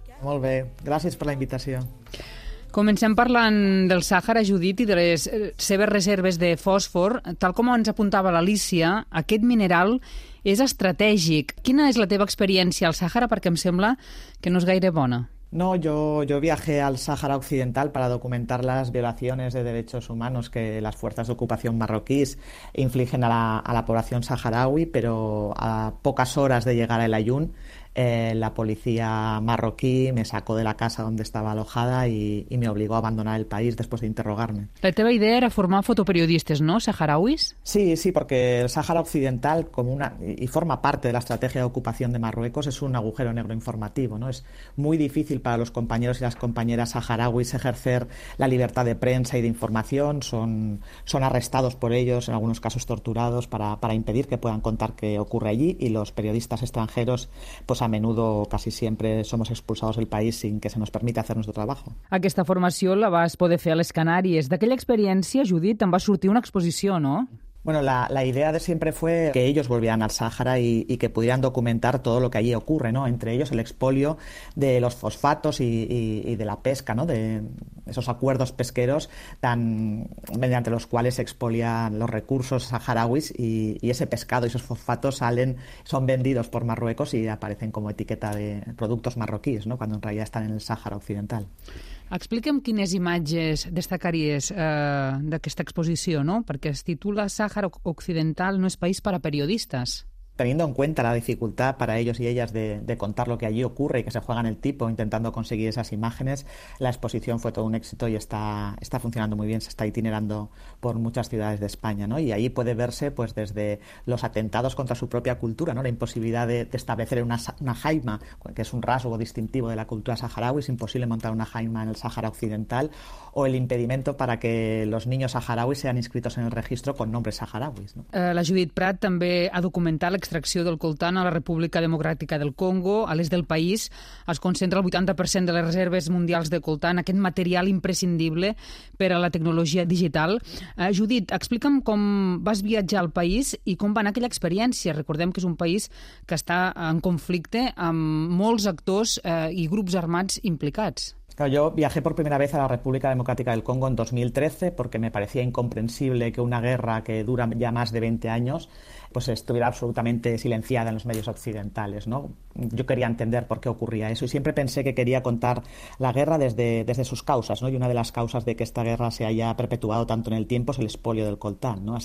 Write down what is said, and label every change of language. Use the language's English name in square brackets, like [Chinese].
[Catalan] Molt bé, gràcies per la invitació. Comencem parlant del Sàhara, Judit, i de les seves reserves de fòsfor. Tal com ens apuntava l'Alícia, aquest mineral és estratègic. Quina és la teva experiència al Sàhara? Perquè em sembla que no és gaire bona. [Spanish] No, yo viajé al Sáhara Occidental para documentar las violaciones de derechos humanos que las fuerzas de ocupación marroquíes infligen a la población saharaui, pero a pocas horas de llegar al Aaiún, la policía marroquí me sacó de la casa donde estaba alojada y me obligó a abandonar el país después de interrogarme. [Catalan] La teva idea era formar fotoperiodistes, ¿no?, saharauis. [Spanish] Sí, porque el Sáhara Occidental forma parte de la estrategia de ocupación de Marruecos, es un agujero negro informativo, ¿no? Es muy difícil para los compañeros y las compañeras saharauis ejercer la libertad de prensa y de información, son arrestados por ellos, en algunos casos torturados para impedir que puedan contar qué ocurre allí, y los periodistas extranjeros pues a menudo, casi siempre, somos expulsados del país sin que se nos permita hacer nuestro trabajo. [Catalan] Aquesta formació la vas poder fer a les Canàries. D'aquella experiència, Judit, te'n va sortir una exposició, no? [Spanish] Bueno, la idea de siempre fue que ellos volvieran al Sáhara y que pudieran documentar todo lo que allí ocurre, ¿no? Entre ellos el expolio de los fosfatos y de la pesca, ¿no? De esos acuerdos pesqueros mediante los cuales se expolian los recursos saharauis y ese pescado y esos fosfatos son vendidos por Marruecos y aparecen como etiqueta de productos marroquíes, ¿no? Cuando en realidad están en el Sáhara Occidental. [Catalan] Explica'm quines imatges destacaries d'aquesta exposició, ¿no? Perquè es titula Sàhara Occidental no és país per a periodistes. [Spanish] Teniendo en cuenta la dificultad para ellos y ellas de contar lo que allí ocurre y que se juegan el tipo intentando conseguir esas imágenes, la exposición fue todo un éxito y está funcionando muy bien, se está itinerando por muchas ciudades de España, ¿no? Y ahí puede verse pues desde los atentados contra su propia cultura, ¿no? La imposibilidad de establecer una jaima, que es un rasgo distintivo de la cultura saharaui, es imposible montar una jaima en el Sáhara Occidental, o el impedimento para que los niños saharauis sean inscritos en el registro con nombres saharauis, ¿no? [Catalan] La Judit Prat també ha documentat l'extracció del coltan a la República Democràtica del Congo. A l'est del país es concentra el 80% de les reserves mundials de coltan, aquest material imprescindible per a la tecnologia digital. Judit, explica'm com vas viatjar al país i com va anar aquella experiència. Recordem que és un país que està en conflicte amb molts actors i grups armats implicats. [Spanish] Yo viajé por primera vez a la República Democrática del Congo en 2013 porque me parecía incomprensible que una guerra que dura ya más de 20 años pues estuviera absolutamente silenciada en los medios occidentales, ¿no? Yo quería entender por qué ocurría eso y siempre pensé que quería contar la guerra desde sus causas, ¿no? Y una de las causas de que esta guerra se haya perpetuado tanto en el tiempo es el expolio del coltán, ¿no?